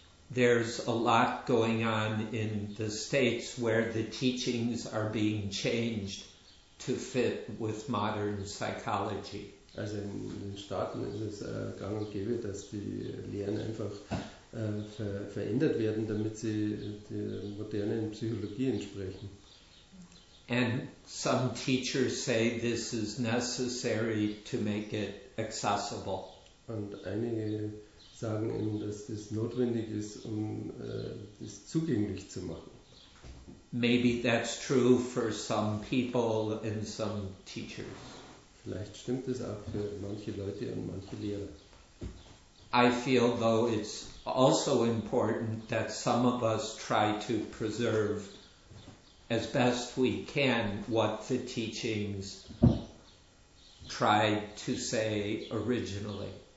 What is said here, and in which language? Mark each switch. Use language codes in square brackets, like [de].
[en] There's a lot going on in the States where the teachings are being changed to fit with modern psychology. [de] Also in den Staaten ist es gang und gäbe, dass die Lehren einfach verändert werden, damit sie der modernen Psychologie entsprechen. [en] And some teachers say this is necessary to make it accessible. [de] Und einige sagen eben, dass das notwendig ist, um das zugänglich zu machen. [en] Maybe that's true for some people and some teachers. [de] Vielleicht stimmt das auch für manche Leute und manche Lehrer. [en] I feel, though, it's also important that some of us try to preserve as best we can what the teachings tried to say originally.